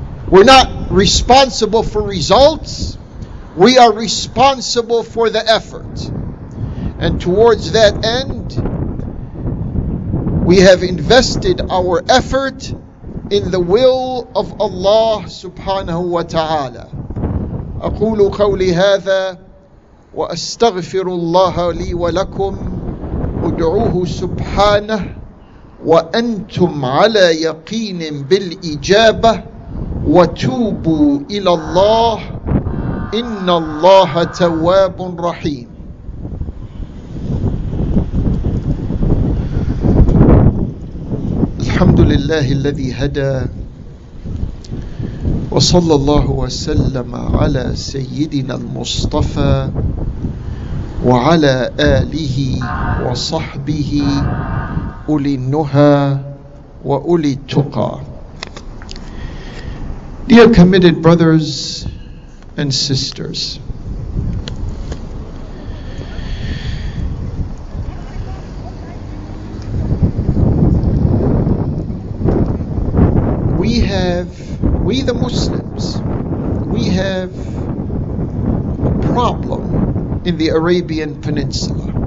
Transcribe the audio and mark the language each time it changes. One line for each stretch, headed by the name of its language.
English: We're not responsible for results, we are responsible for the effort. And towards that end, we have invested our effort in the will of Allah subhanahu wa ta'ala.
Arabic: أقول قولي هذا وأستغفر الله لي ولكم أدعوه سبحانه وأنتم على يقين بالإجابة وَتُوبُوا إِلَى اللَّهِ إِنَّ اللَّهَ تَوَّابٌ رَحِيمٌ. الحمد لله الذي هدى وصلى الله وسلم على سيدنا المصطفى وعلى آله وصحبه أولي النهى وأولي التقى.
English: Dear committed brothers and sisters, we the Muslims, we have a problem in the Arabian Peninsula.